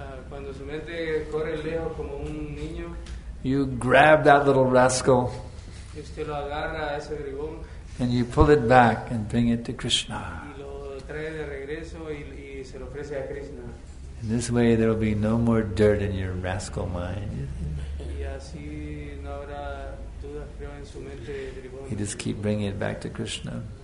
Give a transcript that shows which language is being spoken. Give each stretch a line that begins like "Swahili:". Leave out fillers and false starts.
Spanish: cuando su mente corre lejos como un niño,
English: you grab that little rascal
Spanish: y usted lo agarra a ese gribón,
English: and you pull it back and bring it to Krishna.
Spanish: Y lo trae de regreso y se lo ofrece a Krishna.
English: In this way there will be no more dirt in your rascal mind.
Spanish: Y así no habrá duda, creo, en su mente gribón.
English: You just keep bringing it back to Krishna.